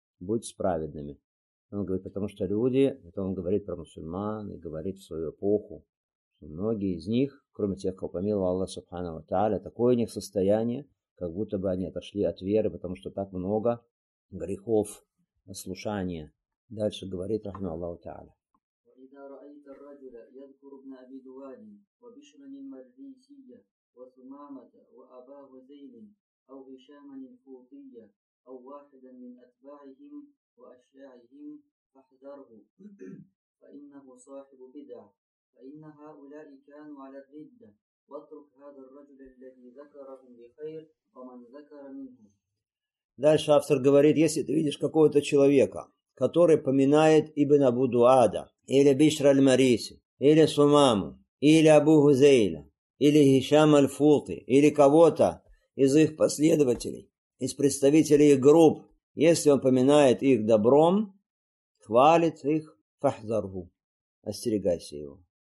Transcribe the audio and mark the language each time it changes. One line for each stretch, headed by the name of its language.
Russian: Будь справедливыми. Он говорит, потому что люди, это он говорит про мусульман и говорит в свою эпоху, что многие из них, кроме тех, кого помиловал Аллах Субхану ва Тааля, такое у них состояние, как будто бы они отошли от веры, потому что так много грехов, ослушания. Дальше говорит рахима Аллаху Тааля: «Когда видишь человека, который упоминает Абу Дуадин и Бишра аль-Мардисия,
Arabic: وسمامة وأبا هزيل أو هشام الفوطية أو واحدا من أتباعهم وأشياعهم فاحذره، فإنه صاحب بدع، فإن هؤلاء كانوا على الردة، واترك هذا الرجل الذي ذكرهم بخير ومن ذكر منهم.
Russian: Дальше автор говорит, если ты видишь какого-то человека, который поминает Ибн Абу Дуада, или Бишр аль-Мариси, или Сумаму, или Абу Гузейля, или Хишам аль-Фути, или кого-то из их последователей, из представителей их групп, если он поминает их добром, хвалит их, фахзаргу, остерегайся его.